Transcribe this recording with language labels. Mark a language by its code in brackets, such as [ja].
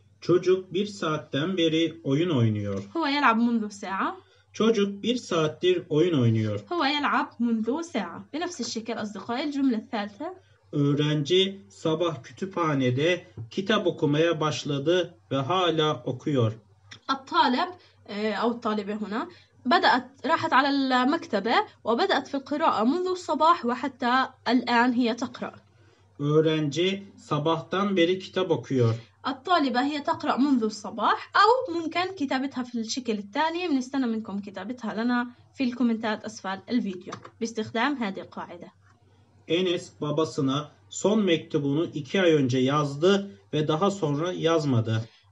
[tr] Çocuk bir saatten beri oyun oynuyor. [ar] هو يلعب منذ ساعة. [tr] Çocuk bir saattir oyun oynuyor. [ar] هو يلعب منذ ساعة. بنفس الشكل أصدقائي الجملة الثالثة. [tr] Öğrenci sabah kütüphanede kitap okumaya başladı ve hala okuyor. [ar] الطالب أو الطالبة هنا بدأت راحت على المكتبة وبدأت في القراءة منذ الصباح وحتى الآن هي تقرأ. [tr] Öğrenci sabahtan beri kitap okuyor. [ar] الطالبة هي تقرأ منذ الصباح، أو ممكن كتابتها في الشكل التالي. بنستنى منكم كتابتها لنا في الكومنتات أسفل الفيديو باستخدام هذه القاعدة. [tr] Enes babasına son mektubunu 2 ay önce yazdı ve daha sonra yazmadı.